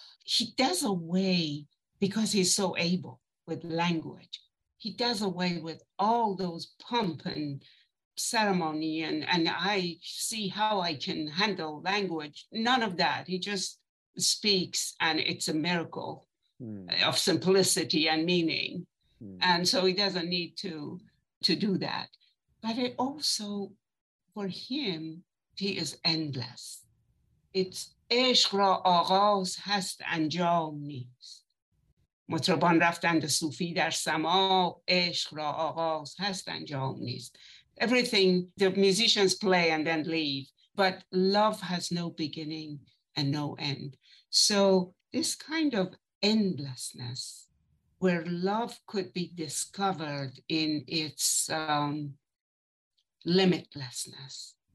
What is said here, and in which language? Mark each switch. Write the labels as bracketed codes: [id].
[en] He does away, because he's so able with language, he does away with all those pomp and ceremony, and I see how I can handle language. None of that. He just speaks, and it's a miracle of simplicity and meaning. And so he doesn't need to do that. But it also, for him, he is endless. [fa] It's عشق را آغاز هست انجام نیست. مطربان رفتند صوفی در سماع عشق را آغاز هست انجام نیست. [en] Everything the musicians play and then leave, but love has no beginning and no end. So this kind of endlessness, where love could be discovered in its limitlessness.